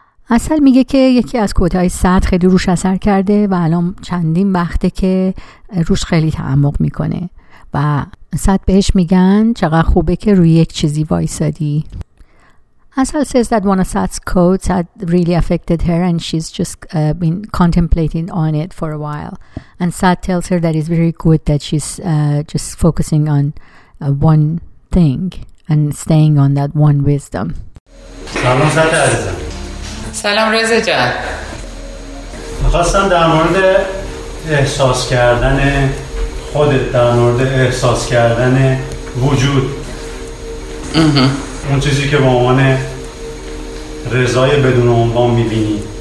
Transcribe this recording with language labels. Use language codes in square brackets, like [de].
[fa] اصل میگه که یکی از کوتهای سات خیلی روش اثر کرده و الان چندین وقته که روش خیلی تعمق میکنه. و صد بهش میگن چقدر خوبه که روی یک چیزی وایسادی. [en] Asal says that one of Sat's quotes had really affected her, and she's just been contemplating on it for a while. And Sat tells her that it's very good that she's just focusing on one thing and staying on that one wisdom. [fa] Salam Sat Azizam. Salam Reza Jan. می‌خواستم در مورد احساس کردن خودت، در مورد احساس کردن وجود اون چیزی که به عنوان رضای بدون عنوان می‌بینی.